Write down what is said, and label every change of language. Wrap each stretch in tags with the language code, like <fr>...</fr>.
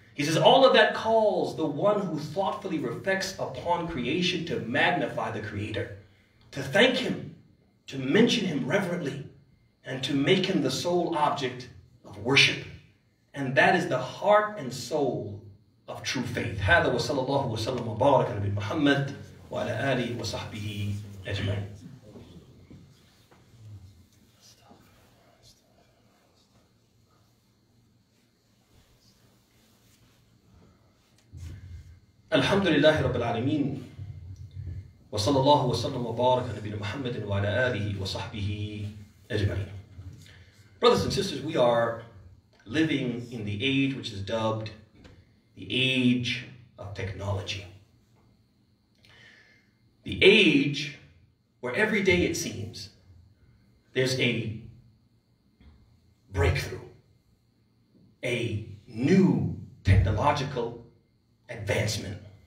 <en>He says, all of that calls the one who thoughtfully reflects upon creation to magnify the Creator, to thank Him, to mention Him reverently, and to make Him the sole object of worship. And that is the heart and soul of true faith.</en> <ar>هذا وصلى الله وسلم وبارك على نبي محمد وعلى آله وصحبه أجمعين. الحمد لله رب العالمين وصلى الله وسلم وبارك على نبينا محمد وعلى آله وصحبه أجمعين.</ar> <en>Brothers and sisters, we are living in the age which is dubbed the age of technology. The age where every day it seems there's a breakthrough, a new technological advancement.</en>